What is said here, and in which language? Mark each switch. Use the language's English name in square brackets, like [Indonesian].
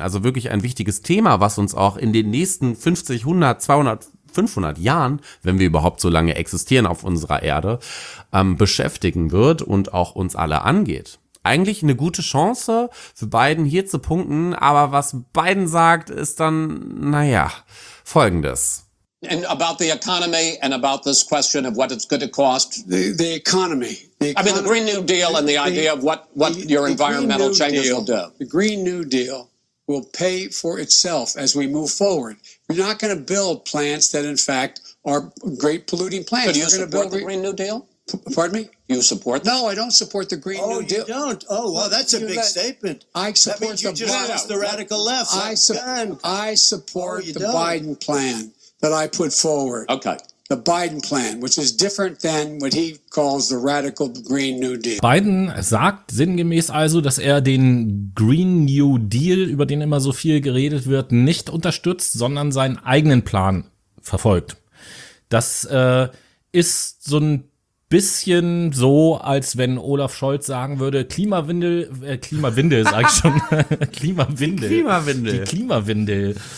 [German] Also wirklich ein wichtiges Thema, was uns auch in den nächsten 50, 100, 200, 500 Jahren, wenn wir überhaupt so lange existieren auf unserer Erde, beschäftigen wird und auch uns alle angeht. Eigentlich eine gute Chance für Biden hier zu punkten, aber was Biden sagt, ist dann, folgendes. [English] And about the economy and about this question of what it's going to cost. The economy. I mean, the Green New Deal and the idea of what your environmental changes will do. The Green New Deal will pay for itself as we move forward. You're not going to build plants that, in fact, are great polluting plants. Could you support the Green New Deal? Pardon me? You support them? No, I don't support the Green New Deal. Oh, you don't? Oh, well, that's a big statement. I support that means you just the radical left. I support the Biden plan that I put forward. Okay. The Biden plan, which is different than what he calls the radical Green New Deal. [German] Biden sagt sinngemäß also, dass er den Green New Deal, über den immer so viel geredet wird, nicht unterstützt, sondern seinen eigenen Plan verfolgt. Das ist so ein bisschen so, als wenn Olaf Scholz sagen würde, Klimawindel.